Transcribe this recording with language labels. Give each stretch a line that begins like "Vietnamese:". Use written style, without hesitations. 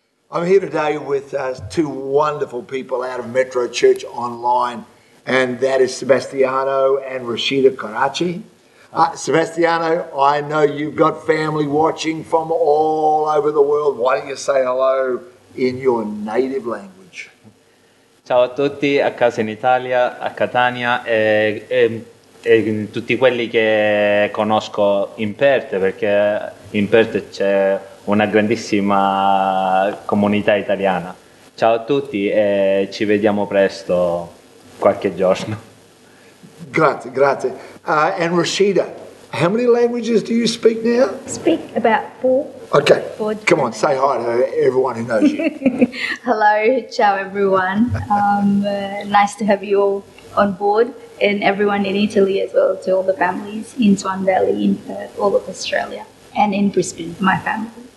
English: I'm here today with two wonderful people out of Metro Church Online, and that is Sebastiano and Rashida Karachi. Sebastiano, I know you've got family watching from all over the world. Why don't you say hello in your native language?
Italian: Ciao a tutti, a casa in Italia, a Catania, e tutti quelli che conosco in Perth, perché in Perth c'è una grandissima comunità italiana. Ciao a tutti e ci vediamo presto qualche giorno. Grazie, grazie.
English: And Rashida, how many languages do you speak now? Speak about four. Okay, come on, say hi to everyone who knows you. Hello, ciao everyone. Nice to have you all on board and everyone in Italy as well, to all the families in Swan Valley, in Perth, all of Australia and in Brisbane, my family.